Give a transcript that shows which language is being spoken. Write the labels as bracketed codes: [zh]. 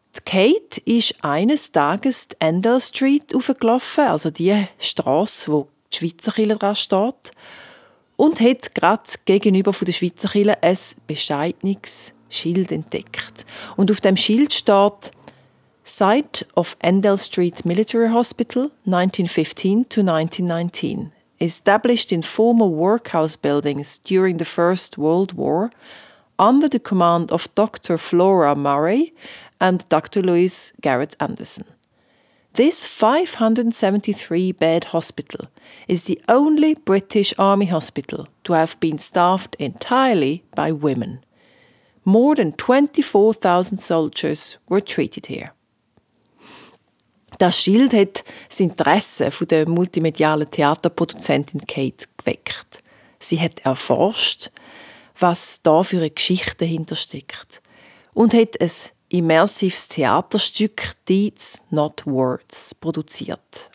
[de] Kate ist eines Tages die Endell Street aufgelaufen, also die Strasse, wo die Schweizerkirche dran steht, und hat gerade gegenüber von der Schweizerkirche ein bescheidenes Schild entdeckt. Und auf dem Schild steht [en] «Site of Endell Street Military Hospital 1915 to 1919. established in former workhouse buildings during the First World War, under the command of Dr. Flora Murray and Dr. Louise Garrett Anderson. This 573-bed hospital is the only British Army hospital to have been staffed entirely by women. More than 24,000 soldiers were treated here. [de] Das Schild hat das Interesse der multimedialen Theaterproduzentin Kate geweckt. Sie hat erforscht, was da für eine Geschichte hintersteckt und hat ein immersives Theaterstück «Deeds, Not Words» produziert.